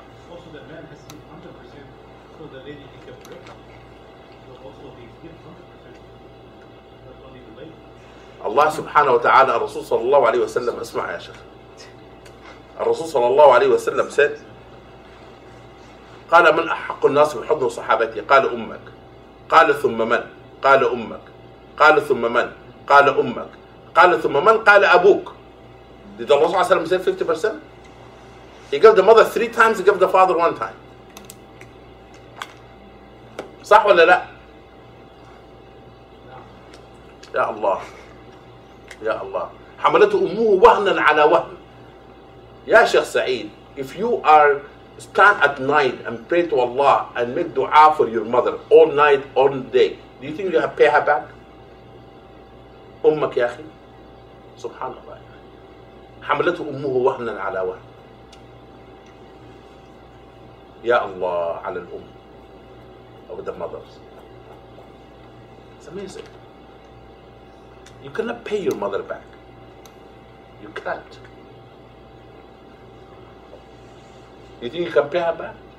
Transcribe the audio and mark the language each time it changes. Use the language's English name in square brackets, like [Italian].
[English] Also, the man has to be 100%, so the lady can get pregnant. So also, he's given 100%, but only the lady. [Arabic] الله سبحانه وتعالى الرسول صلى الله عليه وسلم اسمع يا شيخ الرسول صلى الله عليه وسلم said قال من أحق الناس بحضن صحابتي قال أمك قال ثم من قال أمك قال ثم من قال أمك قال ثم من قال أبوك. [English] Did [Arabic] الله صلى الله عليه وسلم [English] say 50%? He gave the mother three times, he gave the father one time. [Arabic] صح ولا لا؟ يا الله يا الله حملته أمه وهنا على وهن. [English] يا شيخ سعيد, if you are stand at night and pray to Allah and make dua for your mother all night all day, do you think you have pay her back? [Arabic] أمك يا أخي سبحان الله حملته أمه وهنا على وهن. يا الله على الأم [English] or the mothers. It's amazing. You cannot pay your mother back. You can't. You think you can pay her back?